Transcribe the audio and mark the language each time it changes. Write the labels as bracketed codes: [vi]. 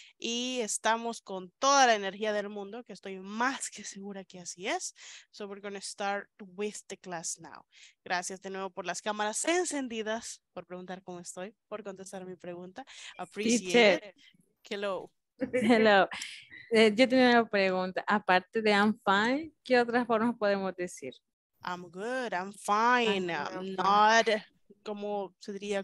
[es] Y estamos con toda la energía del mundo, que estoy más que segura que así es. [en] So we're going to start with the class now. [es] Gracias de nuevo por las cámaras encendidas, por preguntar cómo estoy, por contestar mi pregunta. [en] Appreciate it. Hello. [es] Hello. Yo tenía una pregunta. Aparte de [en] I'm fine, [es] ¿qué otras formas podemos decir? [en] I'm good, I'm fine, I'm not, [es] ¿cómo se diría?